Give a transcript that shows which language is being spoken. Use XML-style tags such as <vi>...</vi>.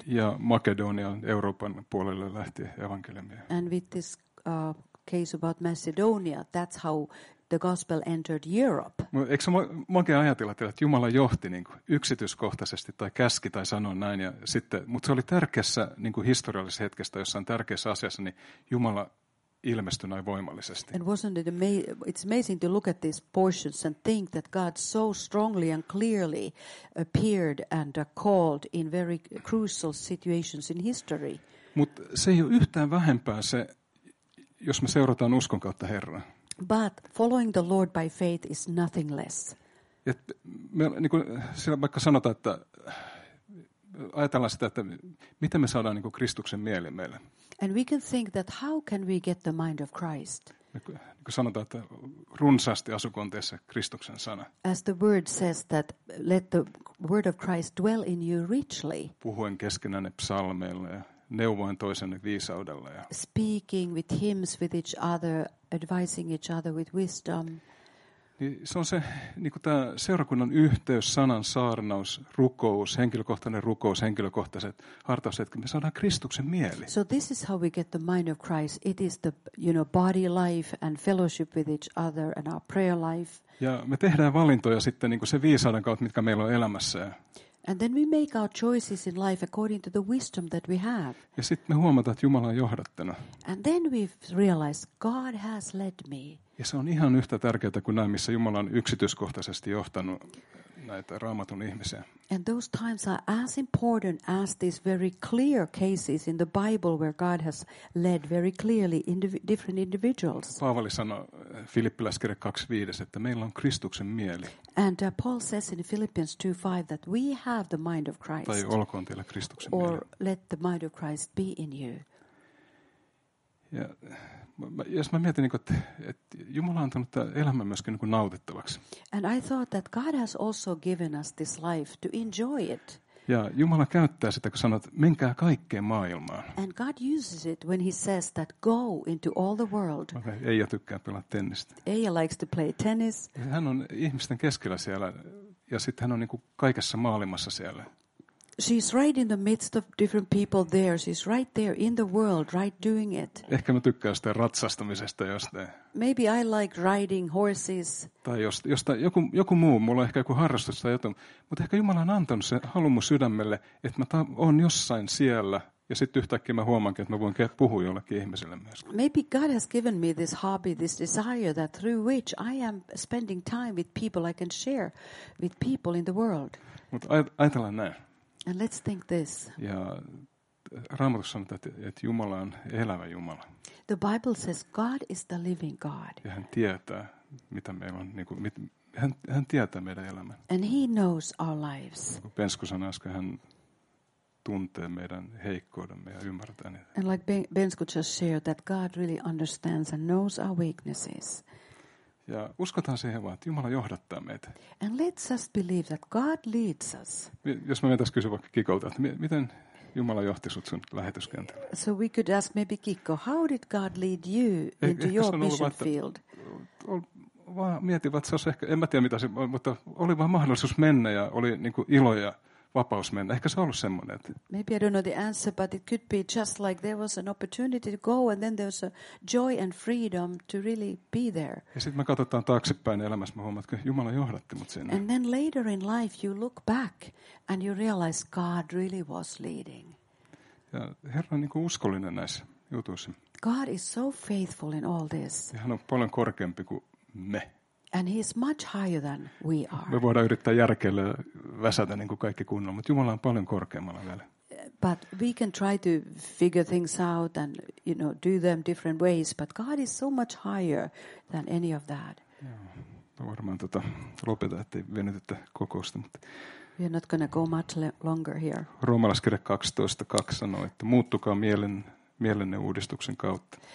<fi>Ja Makedonian Euroopan puolelle lähti evankeliumia.</fi> <en>And with this case about Macedonia, that's how the gospel entered Europe.</en> <fi>Eikö se makea ajatella, että Jumala johti niin kuin yksityiskohtaisesti tai käski tai sanoi näin, ja sitten, mutta se oli tärkeässä niin kuin historiallisessa hetkessä, jossain tärkeässä asiassa, niin Jumala ilmestyi näin voimallisesti.</fi> <en>And wasn't it's amazing to look at these portions and think that God so strongly and clearly appeared and called in very crucial situations in history.</en> <fi>Mutta se ei ole yhtään vähempää se, jos me seurataan uskon kautta Herraa.</fi> <en>But following the Lord by faith is nothing less.</en> <fi>Et me niinku siellä vaikka sanotaan, että ajatellaan sitä, että miten me saadaan niinku Kristuksen mieli meille.</fi> <en>And we can think that how can we get the mind of Christ?</en> <fi>Niinku sanotaan, että runsaasti asukoon teissä Kristuksen sana.</fi> <en>As the word says that let the word of Christ dwell in you richly.</en> <fi>Puhuen keskenänne psalmeilla ja neuvoen toisenne viisaudella ja</fi> <en>speaking with hymns with each other, advising each other with wisdom.</en> <fi>Niin se on se niinku tää seurakunnan yhteys, sanan saarnaus, rukous, henkilökohtainen rukous, henkilökohtaiset hartaukset, me saadaan Kristuksen mieli.</fi> <en>So this is how we get the mind of Christ. It is the, you know, body life and fellowship with each other and our prayer life.</en> <fi>Ja me tehdään valintoja sitten niinku se viisauden kautta, mitkä meillä on elämässä.</fi> <en>And then we make our choices in life according to the wisdom that we have.</en> <fi>Ja sitten me huomataan, että Jumala on johdattanut.</fi> <en>And then we realize God has led me.</en> <fi>Ja se on ihan yhtä tärkeää kuin näin, missä Jumala on yksityiskohtaisesti johtanut näitä Raamatun ihmisiä.</fi> <en>And those times are as important as these very clear cases in the Bible where God has led very clearly different individuals.</en> <fi>Paavali sanoi Filippiläiskirje 2:5, että meillä on Kristuksen mieli.</fi> <en>And Paul says in Philippians 2:5 that we have the mind of Christ.</en> <fi>Tai olkoon teillä Kristuksen</fi> <en>or</en> <fi>mieli.</fi> <en>Or let the mind of Christ be in you.</en> <fi>Ja jos mä mietin, että Jumala on antanut tämän elämän myöskin nautittavaksi.</fi> <en>And I thought that God has also given us this life to enjoy it.</en> <fi>Ja Jumala käyttää sitä, kun sanoo, että menkää kaikkeen maailmaan.</fi> <en>And God uses it when he says that go into all the world.</en> <fi>Eija tykkää pelaa tennistä.</fi> <en>Eija likes to play tennis.</en> <fi>Hän on ihmisten keskellä siellä ja sitten hän on niin kuin kaikessa maailmassa siellä.</fi> <en>She's right in the midst of different people there. She's right there in the world, right doing it.</en> <fi>Ehkä mä tykkään sitä ratsastamisesta jostain.</fi> <en>Maybe I like riding horses.</en> <fi>Tai jostain joku muu. Mulla on ehkä joku harrastus tai jotain. Mutta ehkä Jumala on antanut sen halun mun sydämelle, että mä oon jossain siellä. Ja sitten yhtäkkiä mä huomaankin, että mä voin puhua jollekin ihmiselle myös.</fi> <en>Maybe God has given me this hobby, this desire that through which I am spending time with people I can share with people in the world.</en> <fi>Mut ajatellaan näin.</fi> <en>And let's think this.</en> <fi>Ja Raamatussa sanotaan, että Jumala on elävä Jumala.</fi> <en>The Bible says God is the living God.</en> <fi>Ja hän tietää, mitä meillä on, niin kuin, hän tietää meidän elämän.</fi> <en>And he knows our lives.</en> <fi>Pensku sanoi äsken, hän tuntee meidän heikkoudemme ja ymmärtää niitä.</fi> <en>And like Bensku just shared, that God really understands and knows our weaknesses.</en> <fi>Ja uskotaan siihen vaan, että Jumala johdattaa meitä.</fi> <en>And let's just believe that God leads us.</en> <fi>Jos mä mietäisin kysyä vaikka Kikolta, että miten Jumala johti sut sun lähetyskentällä?</fi> <en>So we could ask maybe Kikko, how did God lead you into your mission field?</en> <fi>Vaan mietin, että se olisi ehkä, en mä tiedä mitä se, mutta oli vaan mahdollisuus mennä ja oli niin kuin ilo ja vapaus mennä. Ehkä se on ollut semmoinen. Että</fi> <en>maybe I don't know the answer, but it could be just like there was an opportunity to go and then there was a joy and freedom to really be there.</en> <fi>Ja sitten me katsotaan taaksepäin elämässä, me huomaan, että Jumala johdatti mut sinne.</fi> <en>And then later in life you look back and you realize God really was leading.</en> <fi>Ja Herra on niin kuin uskollinen näissä jutuissa.</fi> <en>God is so faithful in all this.</en> <fi>Ja hän on paljon korkeampi kuin me.</fi> <en>And he is much higher than we are.</en> <fi>Me voidaan yrittää järkeillä väsätä niin kuin kaikki kunnolla, mutta Jumala on paljon korkeammalla vielä.</fi> <en>But we can try to figure things out and you know do them different ways, but God is so much higher than any of that.</en> <fi>Joo. No varmaan lopetan, ettei venytetä kokousta, mutta</fi> <en>we are not going to go much longer here.</en> <fi>Roomalaiskirja 12:2 sanoo, että muuttukaa mielenne uudistuksen kautta.</fi>